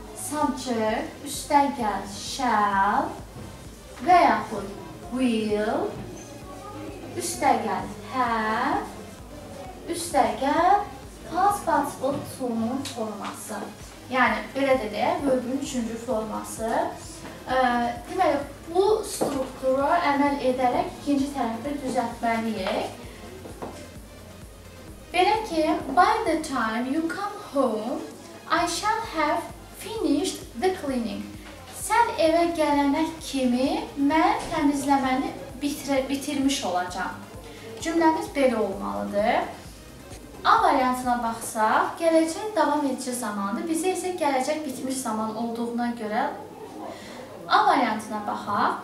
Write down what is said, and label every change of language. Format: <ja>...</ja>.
<az>Subject, üstdən gəl, shall və yaxud will, üstəgəl have, üstəgəl past possible to-nun forması. Yəni, belə də deyə, verbin üçüncü forması. Deməli, bu struktura əməl edərək ikinci tərəfdə düzəltməliyik. Belə ki,</az> <en>by the time you come home, I shall have finished the cleaning.</en> <az>Sən evə gələnə kimi mən təmizləməni bitirmiş olacam. Cümləmiz belə olmalıdır. A variantına baxsaq, gələcək davam edici zamandır. Bizə isə gələcək bitmiş zaman olduğuna görə A variantına baxaq.</az>